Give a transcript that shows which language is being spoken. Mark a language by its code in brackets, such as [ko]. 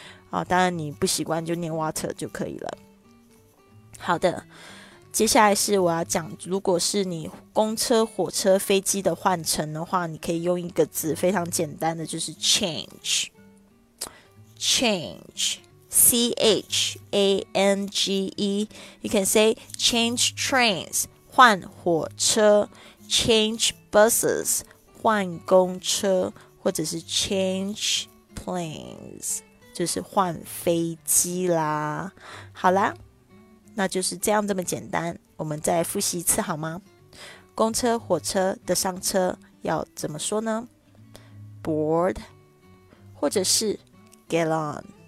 [zh] 哦，当然你不习惯就念 water 就可以了。好的，接下来是我要讲，如果是你公车、火车、飞机的换乘的话，你可以用一个字非常简单的，就是 change，change，change。 [en] You can say change trains [zh] 换火车， [en] change buses [zh] 换公车，或者是 [en] change planes。 [zh] 就是换飞机啦，好啦，那就是这样这么简单。我们再复习一次好吗？公车、火车的上车要怎么说呢？Board，或者是 get on。